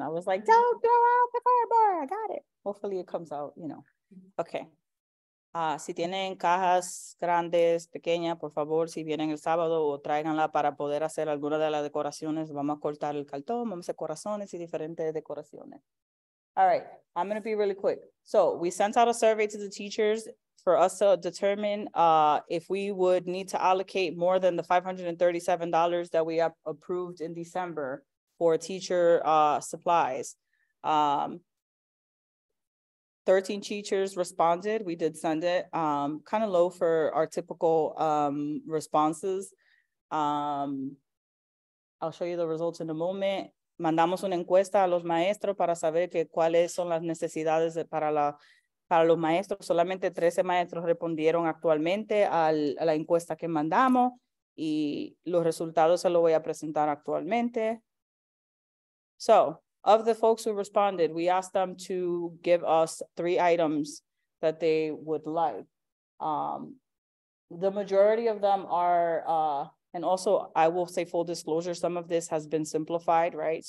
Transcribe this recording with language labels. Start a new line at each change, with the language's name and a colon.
English: I was like, don't throw out the cardboard. I got it. Hopefully it comes out, you know. Okay.
Spanish: Si tienen cajas grandes, pequeñas, por favor, si vienen el sábado o tráiganla para poder hacer alguna de las decoraciones, vamos a cortar el cartón, vamos a hacer corazones y diferentes decoraciones.
English: All right, I'm going to be really quick. So we sent out a survey to the teachers for us to determine if we would need to allocate more than the $537 that we have approved in December for teacher supplies. 13 teachers responded. We did send it kind of low for our typical responses. I'll show you the results in a moment.
Spanish: Mandamos una encuesta a los maestros para saber que cuáles son las necesidades para los maestros. Solamente 13 maestros respondieron actualmente a la encuesta que mandamos y los resultados se los voy a presentar actualmente.
English: So, of the folks who responded, we asked them to give us 3 items that they would like. The majority of them are, and also I will say full disclosure, some of this has been simplified, right?